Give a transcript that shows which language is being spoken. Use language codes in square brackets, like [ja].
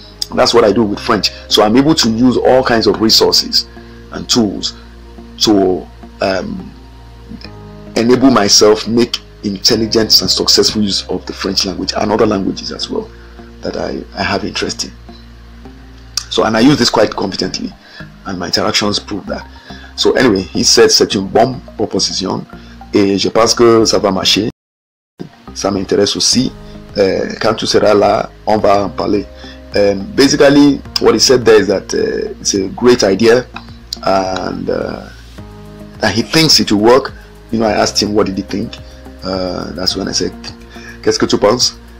[en] And that's what I do with French. So I'm able to use all kinds of resources and tools to enable myself make intelligent and successful use of the French language and other languages as well that I have interest in. So, and I use this quite competently, and my interactions prove that. So anyway, he said, [fr] c'est une bonne proposition et je pense que ça va marcher, ça m'intéresse aussi, quand tu seras là on va en parler. [en] Basically what he said there is that it's a great idea, and that he thinks it will work. You know, I asked him, what did he think? That's when I said, [fr] qu'est-ce que tu penses?